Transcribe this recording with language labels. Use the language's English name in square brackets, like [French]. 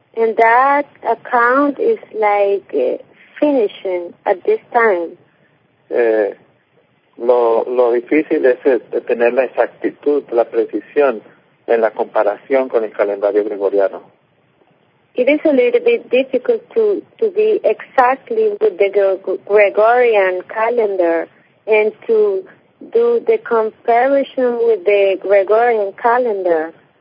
[English] And that account is like finishing at this time. [Spanish] Lo difícil es tener la exactitud, la precisión en la comparación con el calendario gregoriano. [English] It is a little bit difficult to be exactly with the Gregorian calendar and to do the comparison with the Gregorian calendar.